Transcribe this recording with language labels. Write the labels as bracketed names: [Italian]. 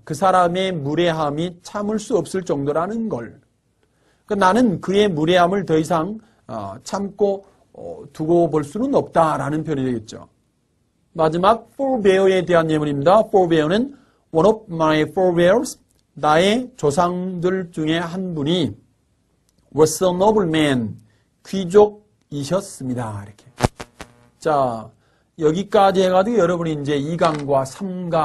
[Korean] 그 사람의 무례함이 참을 수 없을 정도라는 걸. 나는 그의 무례함을 더 이상 참고 두고 볼 수는 없다라는 표현이 되겠죠. 마지막 forebear에 대한 예문입니다. [English] forebear는 one of my forebears, [Korean] 나의 조상들 중에 한 분이 [English] was a nobleman, [Korean] 귀족이셨습니다. 이렇게. 자, 여기까지 해가지고 여러분이 이제 2강과 3강을 마쳤고요. 잠시 쉬었다가 제4강